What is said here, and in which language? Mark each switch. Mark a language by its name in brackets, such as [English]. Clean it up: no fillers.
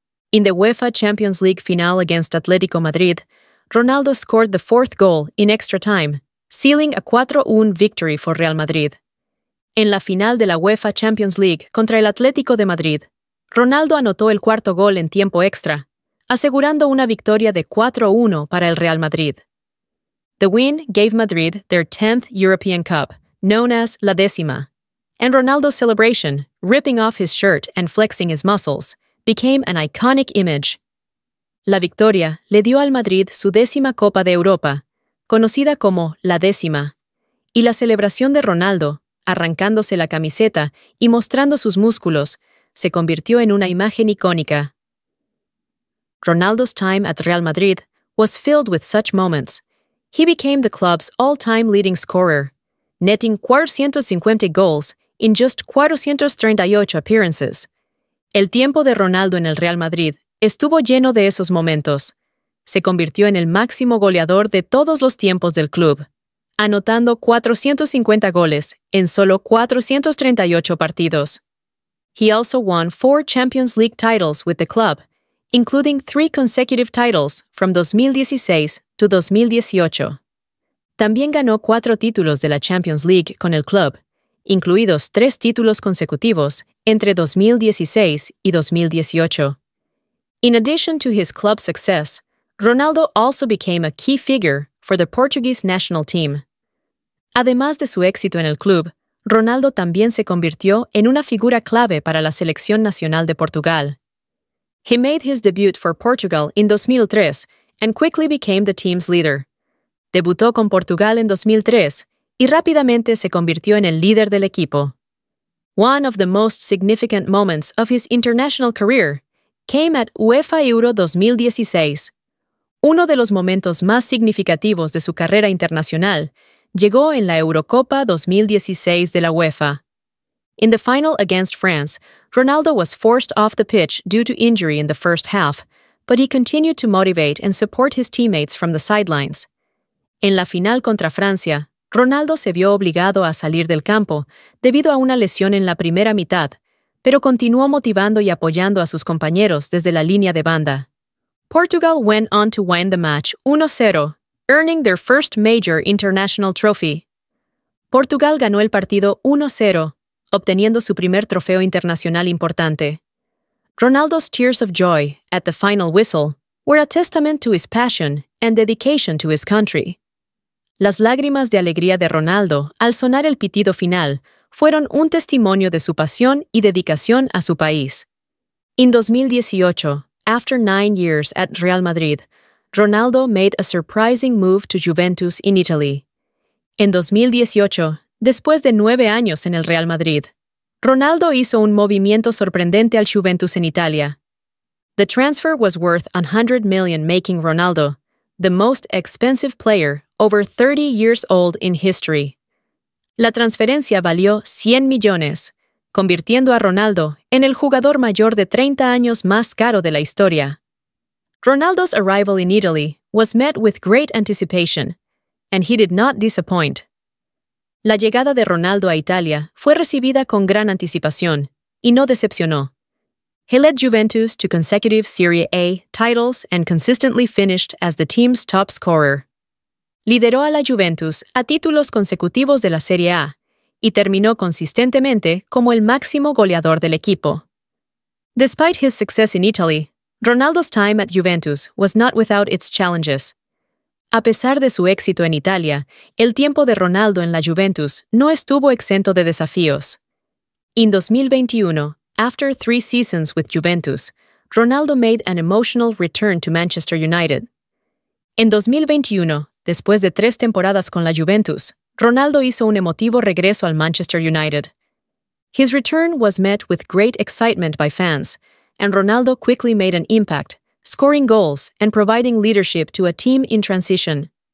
[English] In the UEFA Champions League final against Atlético Madrid, Ronaldo scored the fourth goal in extra time, sealing a 4-1 victory for Real Madrid. [Spanish] En la final de la UEFA Champions League contra el Atlético de Madrid, Ronaldo anotó el cuarto gol en tiempo extra, asegurando una victoria de 4-1 para el Real Madrid. [English] The win gave Madrid their 10th European Cup, known as La Décima. And Ronaldo's celebration, ripping off his shirt and flexing his muscles, became an iconic image. [Spanish] La victoria le dio al Madrid su 10ª Copa de Europa, conocida como La Décima, y la celebración de Ronaldo, arrancándose la camiseta y mostrando sus músculos, se convirtió en una imagen icónica. [English] Ronaldo's time at Real Madrid was filled with such moments. He became the club's all-time leading scorer, netting 450 goals in just 438 appearances. [Spanish] El tiempo de Ronaldo en el Real Madrid estuvo lleno de esos momentos. Se convirtió en el máximo goleador de todos los tiempos del club, anotando 450 goles en solo 438 partidos. [English] He also won 4 Champions League titles with the club, including 3 consecutive titles from 2016 to 2018. [Spanish] También ganó 4 títulos de la Champions League con el club, incluidos 3 títulos consecutivos entre 2016 y 2018. [English] In addition to his club success, Ronaldo also became a key figure for the Portuguese national team. [Spanish] Además de su éxito en el club, Ronaldo también se convirtió en una figura clave para la selección nacional de Portugal. [English] He made his debut for Portugal in 2003 and quickly became the team's leader. [Spanish] Debutó con Portugal en 2003 y rápidamente se convirtió en el líder del equipo. [English] One of the most significant moments of his international career came at UEFA Euro 2016. [Spanish] Uno de los momentos más significativos de su carrera internacional llegó en la Eurocopa 2016 de la UEFA. [English] In the final against France, Ronaldo was forced off the pitch due to injury in the first half, but he continued to motivate and support his teammates from the sidelines. [Spanish] En la final contra Francia, Ronaldo se vio obligado a salir del campo debido a una lesión en la primera mitad, pero continuó motivando y apoyando a sus compañeros desde la línea de banda. [English] Portugal went on to win the match 1-0, earning their first major international trophy. [Spanish] Portugal ganó el partido 1-0, obteniendo su primer trofeo internacional importante. [English] Ronaldo's tears of joy at the final whistle were a testament to his passion and dedication to his country. [Spanish] Las lágrimas de alegría de Ronaldo al sonar el pitido final fueron un testimonio de su pasión y dedicación a su país. [English] In 2018, after 9 years at Real Madrid, Ronaldo made a surprising move to Juventus in Italy. [Spanish] En 2018, después de 9 años en el Real Madrid, Ronaldo hizo un movimiento sorprendente al Juventus en Italia. [English] The transfer was worth 100 million, making Ronaldo the most expensive player over 30 years old in history. [Spanish] La transferencia valió 100 millones, convirtiendo a Ronaldo en el jugador mayor de 30 años más caro de la historia. [English] Ronaldo's arrival in Italy was met with great anticipation, and he did not disappoint. [Spanish] La llegada de Ronaldo a Italia fue recibida con gran anticipación, y no decepcionó. [English] He led Juventus to consecutive Serie A titles and consistently finished as the team's top scorer. [Spanish] Lideró a la Juventus a títulos consecutivos de la Serie A y terminó consistentemente como el máximo goleador del equipo. [English] Despite his success in Italy, Ronaldo's time at Juventus was not without its challenges. [Spanish] A pesar de su éxito en Italia, el tiempo de Ronaldo en la Juventus no estuvo exento de desafíos. [English] In 2021, After three seasons with Juventus, Ronaldo made an emotional return to Manchester United. [Spanish] En 2021, después de tres temporadas con la Juventus, Ronaldo hizo un emotivo regreso al Manchester United. [English] His return was met with great excitement by fans, and Ronaldo quickly made an impact, scoring goals and providing leadership to a team in transition.